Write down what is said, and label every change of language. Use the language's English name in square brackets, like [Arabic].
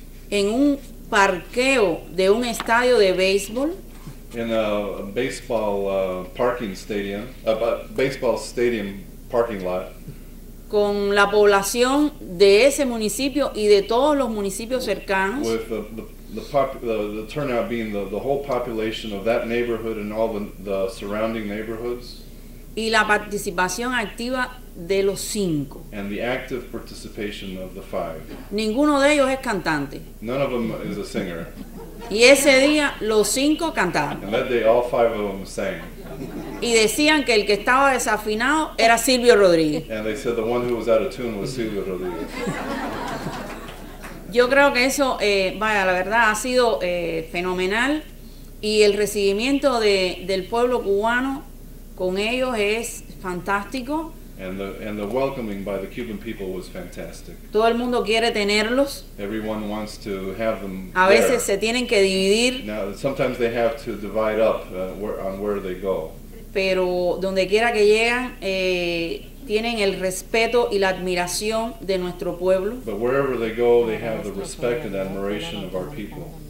[Spanish] En un parqueo de un estadio de béisbol. [English] In a baseball parking stadium, a baseball stadium parking lot. [Spanish] Con la población de ese municipio y de todos los municipios cercanos. [English] With the turnout being the whole population of that neighborhood and all the surrounding neighborhoods. [Spanish] Y la participación activa de los cinco. [English] And the active participation of the five. [Spanish] Ninguno de ellos es cantante. [English] None of them is a singer. [Spanish] Y ese día los cinco cantaban. [English] And that day all five of them sang. [Spanish] Y decían que el que estaba desafinado era Silvio Rodríguez. [English] And they said the one who was out of tune was Silvio Rodríguez. [Spanish] Yo creo que eso, vaya, la verdad, ha sido fenomenal. Y el recibimiento del pueblo cubano con ellos es fantástico. [English] And the welcoming by the Cuban people was fantastic. [Spanish] Todo el mundo quiere tenerlos. [English] Everyone wants to have them. [Spanish] A veces [English] there. [Spanish] Se tienen que dividir. [English] Now, sometimes they have to divide up on where they go. [Spanish] Pero donde quiera que llegan, tienen el respeto y la admiración de nuestro pueblo. [English] But wherever they go, they have the respect and admiration of our people.